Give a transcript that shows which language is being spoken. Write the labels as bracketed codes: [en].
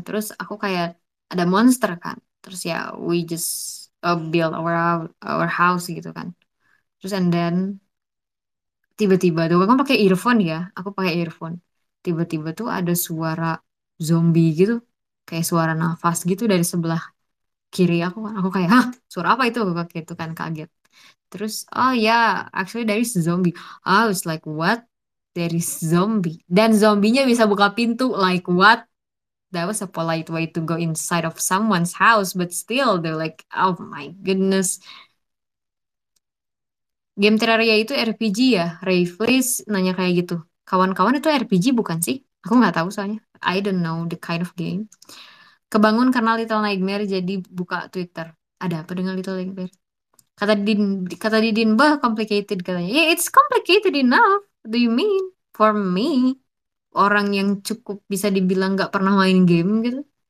[id] Terus aku kayak ada monster kan. Terus ya, [en] we just build our house [id] gitu kan. Terus [en] and then [id] tiba-tiba tuh aku pakai earphone ya, aku pakai earphone. Tiba-tiba tuh ada suara zombie gitu, kayak suara nafas gitu dari sebelah kiri aku. Aku kayak, hah, suara apa itu? Aku gitu kan kaget. [en] Terus, oh ya, yeah, actually there is zombie. I was like, what? There is zombie. [id] Dan zombinya bisa buka pintu, [en] like what? That was a polite way to go inside of someone's house, but still, they're like, oh my goodness. [id] Game Terraria itu RPG ya? Raveless nanya kayak gitu. Kawan-kawan itu RPG bukan sih? Aku nggak tahu soalnya. [en] I don't know the kind of game. [id] Kebangun karena Little Nightmare jadi buka Twitter. Ada apa dengan Little Nightmare? Kata Didin, bah complicated katanya. [en] Yeah, it's complicated enough. Do you mean for me? [id] Orang yang cukup bisa dibilang nggak pernah main game gitu.